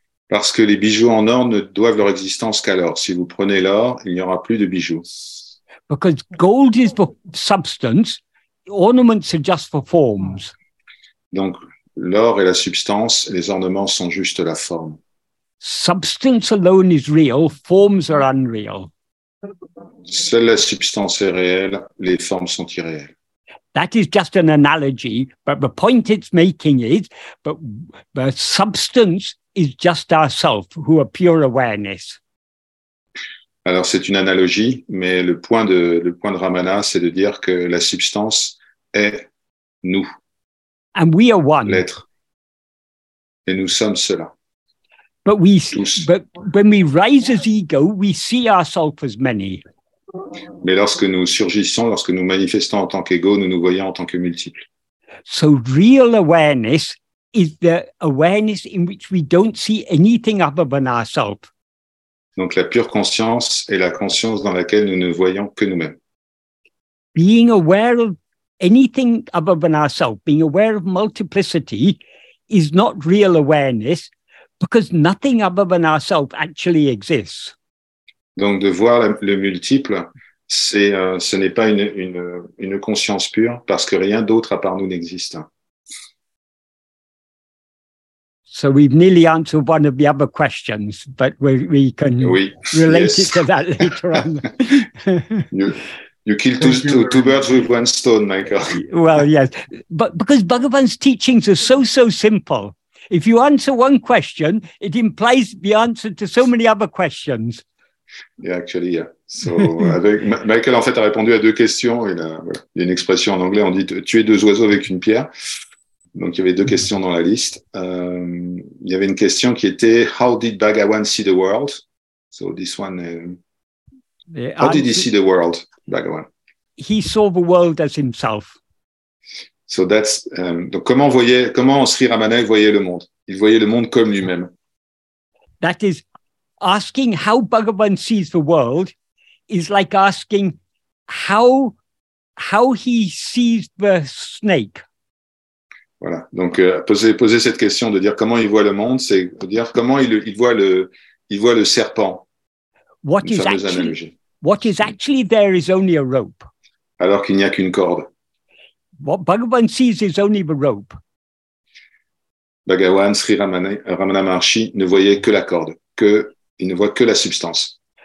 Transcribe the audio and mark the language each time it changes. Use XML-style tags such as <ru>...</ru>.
<fr>Parce que les bijoux en or ne doivent leur existence qu'à l'or. Si vous prenez l'or, il n'y aura plus de bijoux.</fr> <en>Because gold is the substance, ornaments are just for forms.</en> <fr>Donc, l'or est la substance, les ornements sont juste la forme.</fr> <en>Substance alone is real, forms are unreal.</en> <fr>Seule la substance est réelle, les formes sont irréelles.</fr> <en>That is just an analogy, but the point it's making is that the substance is just ourselves, who are pure awareness.</en> <fr>Alors, c'est une analogie, mais le point de Ramana, c'est de dire que la substance est nous.</fr> <en>And we are one.</en> <fr>L'être. Et nous sommes cela.</fr> <en>But when we rise as ego, we see ourselves as many.</en> <fr>Mais lorsque nous surgissons, lorsque nous manifestons en tant qu'ego, nous nous voyons en tant que multiples.</fr> <en>So real awareness is the awareness in which we don't see anything other than ourselves.</en> <fr>Donc la pure conscience est la conscience dans laquelle nous ne voyons que nous-mêmes.</fr> <en>Being aware of anything other than ourselves, being aware of multiplicity, is not real awareness because nothing other than ourselves actually exists.</en> <fr>Donc, de voir le multiple, ce n'est pas une conscience pure, parce que rien d'autre à part nous n'existe.</fr> <en>So we've nearly answered one of the other questions, but we can</en> <fr>oui.</fr> <en>relate yes. it to that later on. you kill two birds with one stone, Michael. Well, yes, but because Bhagavan's teachings are so simple. If you answer one question, it implies the answer to so many other questions. Yeah, actually, yeah.</en> <fr>So, avec Michael, en fait, a répondu à deux questions. Il y a voilà, une expression en anglais, on dit « tuer deux oiseaux avec une pierre ». Donc, il y avait deux questions dans la liste. Il y avait une question qui était «</fr> <en>How did Bhagavan see the world ?» So, this one, how did he see the world, Bhagavan ? He saw the world as himself. So, that's,</en> <fr>donc, comment Sri Ramana voyait le monde ? Il voyait le monde comme lui-même.</fr> <en>That is, asking how Bhagavan sees the world is like asking how he sees the snake.</en> <fr>Voilà. Donc poser cette question de dire comment il voit le monde, c'est dire comment il voit le serpent.</fr> <en>What is actually there is only a rope.</en> <fr>Alors qu'il n'y a qu'une corde.</fr> <en>What Bhagavan sees is only the rope.</en> <fr>Bhagavan, Sri Ramana Maharshi, ne voyait que la corde, il ne voit que la substance.</fr>